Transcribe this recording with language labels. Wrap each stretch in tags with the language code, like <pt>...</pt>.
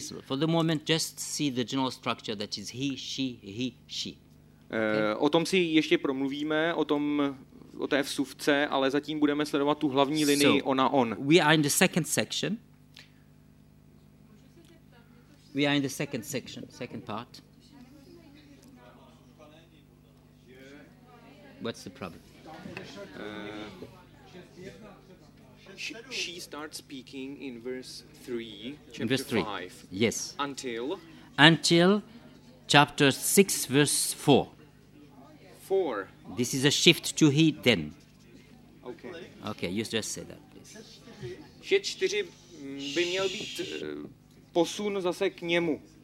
<en>For the moment just see the general structure, that is he, she.</en> <cs>O tom si ještě promluvíme, o té vsuvce, ale zatím budeme sledovat tu hlavní linii ona, on.</cs> <en>We are in the second section. We are in the second section, second part. What's the problem? She starts speaking in verse 3, chapter 5. Yes. Until chapter 6, verse 4. This is a shift to he then. Okay, you just say that, please.</en> <cs>6:4 by měl být posun zase k němu.</cs>